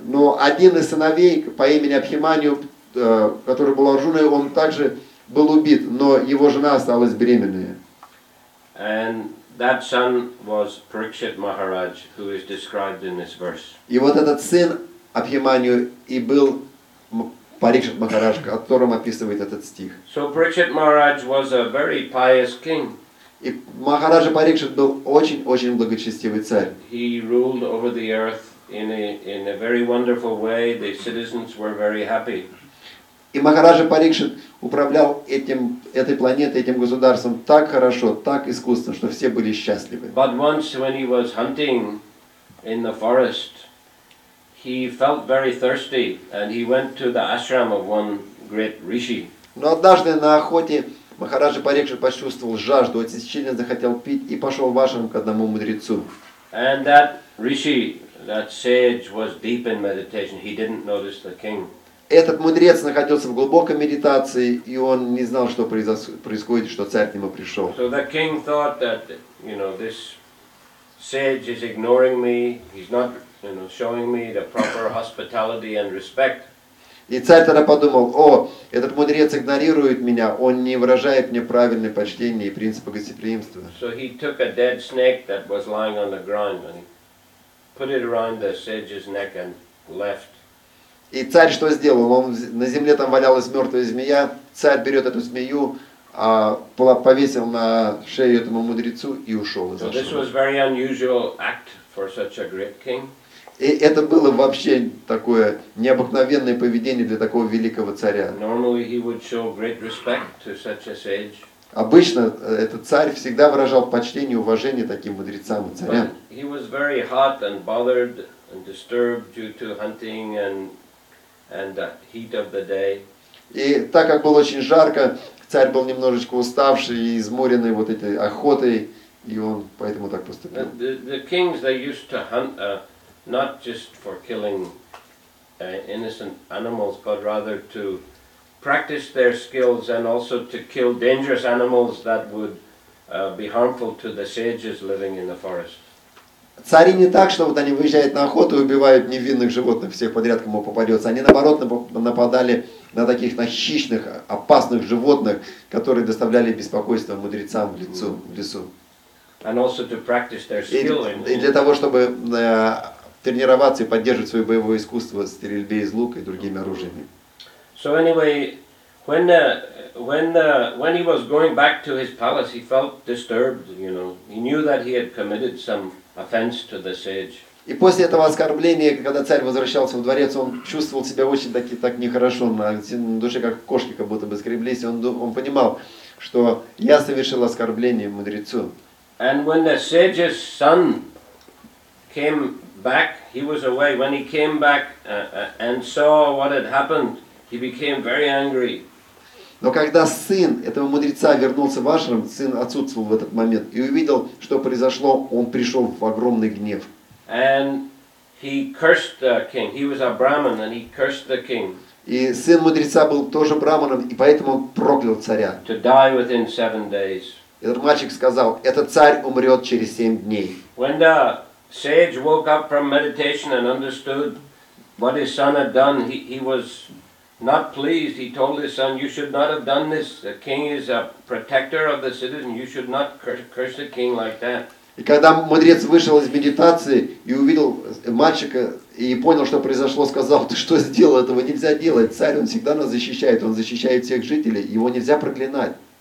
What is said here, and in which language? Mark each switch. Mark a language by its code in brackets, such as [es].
[ru] Но один из сыновей по имени Абхиманию, который был Арджуной, он также был убит, но его жена осталась беременной. [en] And that son was Parikshit Maharaj, who is described in this verse. [ru] И вот этот сын Абхиманию и был Парикшит Махарадж, о котором описывает этот стих. [en] So Parikshit Maharaj was a very pious king. [ru] И Махараджа Парикшит был очень-очень благочестивый царь. [en] He ruled over the earth in a very wonderful way. The citizens were very happy. [ru] И Махараджа Парикшит управлял этой планетой, этим государством так хорошо, так искусно, что все были счастливы. [en] But once when he was hunting in the forest, he felt very thirsty and he went to the ashram of one great rishi. [ru] Но однажды на охоте Махараджа Парикшит почувствовал жажду, очень сильно захотел пить и пошел в ашрам к одному мудрецу. [en] And that rishi, that sage, was deep in meditation. He didn't notice the king. [ru] Этот мудрец находился в глубокой медитации и он не знал, что происходит, что царь к нему пришел. [en] So the king thought that, you know, this sage is ignoring me. He's not, you know, showing me the proper hospitality and respect. [ru] И царь тогда подумал, о, этот мудрец игнорирует меня, он не выражает мне правильное почтение и принципы гостеприимства. [en] So he took a dead snake that was lying on the ground and he put it around the sage's neck and left. [ru] И царь что сделал? Он на земле там валялась мертвая змея, царь берет эту змею, повесил на шею этому мудрецу и ушел из ашрама. [en] So this was very unusual act for such a great king. [ru] И это было вообще такое необыкновенное поведение для такого великого царя. [en] Normally he would show great respect to such a sage. [ru] Обычно этот царь всегда выражал почтение и уважение таким мудрецам и царям. [en] But he was very hot and bothered and disturbed due to hunting and the heat of the day. [ru] И так как было очень жарко, царь был немножечко уставший и изморенный вот этой охотой, и он поэтому так поступил. [en] The kings, they used to hunt not just for killing innocent animals, but rather to practice their skills and also to kill dangerous animals that would be harmful to the sages living in the forest. [ru] Цари не так, что вот они выезжают на охоту и убивают невинных животных, всех подряд, кому попадется. Они наоборот нападали на таких хищных, опасных животных, которые доставляли беспокойство мудрецам в лесу. [en] And also to practice their skill. [ru] И для того, чтобы тренироваться и поддерживать свое боевое искусство в стрельбе из лука и другими оружиями. [en] So anyway, when he was going back to his palace, he felt disturbed, you know. He knew that he had committed some offense to the sage. [ru] И после этого оскорбления, когда царь возвращался в дворец, он чувствовал себя очень так нехорошо, на душе как кошки как будто бы скреблись. Он понимал, что я совершил оскорбление мудрецу. [en] And when the sage's son came back, he was away. When he came back and saw what had happened, he became very angry. [ru] Но когда сын этого мудреца вернулся в ашрам, сын отсутствовал в этот момент и увидел, что произошло, он пришел в огромный гнев. [en] And he cursed the king. He was a Brahmin and he cursed the king. [ru] И сын мудреца был тоже браманом, и поэтому он проклял царя. [en] To die within 7 days. [ru] И этот мальчик сказал, этот царь умрет через 7 дней. [en] When the sage woke up from meditation and understood what his son had done, he was not pleased. He told his son, you should not have done this. The king is a protector of the citizen. You should not curse the king like that. [ru] И когда мудрец вышел из медитации и увидел мальчика и понял, что произошло, сказал, ты что сделал, этого нельзя делать. Царь, он всегда нас защищает, он защищает всех жителей, его нельзя проклинать.